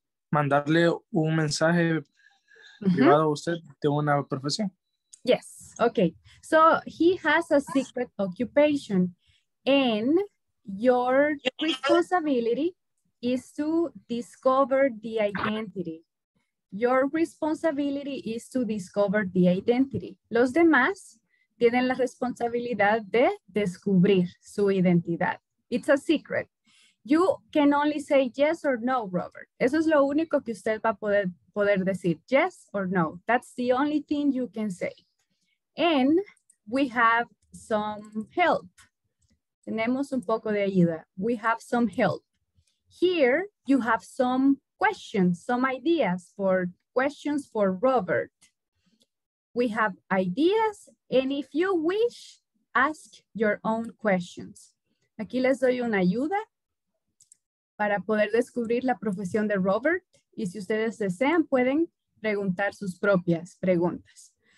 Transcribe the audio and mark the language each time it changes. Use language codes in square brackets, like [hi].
[es] Mandarle un mensaje privado a usted de una profesión. [en] Yes, okay. So he has a secret occupation and your responsibility is to discover the identity. Your responsibility is to discover the identity. [es] Los demás tienen la responsabilidad de descubrir su identidad. [en] It's a secret. You can only say yes or no, Robert. [es] Eso es lo único que usted va a poder decir, [en] yes or no. That's the only thing you can say. And we have some help. [es] Tenemos un poco de ayuda. [en] We have some help. Here, you have some questions, some ideas for questions for Robert. We have ideas, and if you wish, ask your own questions. [es] Aquí les doy una ayuda para poder descubrir la profesión de Robert. Y si ustedes desean, pueden preguntar sus propias preguntas.